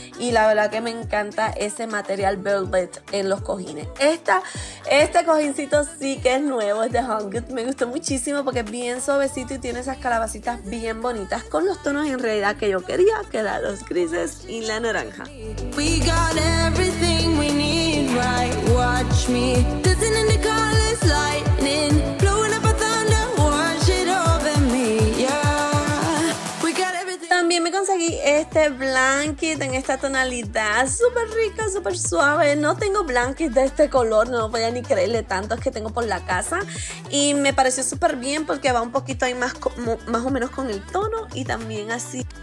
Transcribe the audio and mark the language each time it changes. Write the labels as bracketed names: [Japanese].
[Spanish] Y la verdad que me encanta ese material velvet en los cojines. Este cojincito sí que es nuevo, es de HomeGoods. Me gustó muchísimo porque es bien suavecito y tiene esas calabacitas bien bonitas con los tonos en realidad que yo quería, que eran los grises y la naranja. [English] We got everything we need, right? Watch me. Dancing in the colors, lightning. Blowing up a thunder, watch it over me. Yeah. We got everything. [Spanish] También me conseguí este blanket en esta tonalidad. Súper rica, súper suave. No tengo blanket de este color. No voy a ni creerle tantos que tengo por la casa. Y me pareció súper bien porque va un poquito ahí más o menos con el tono. Y también así.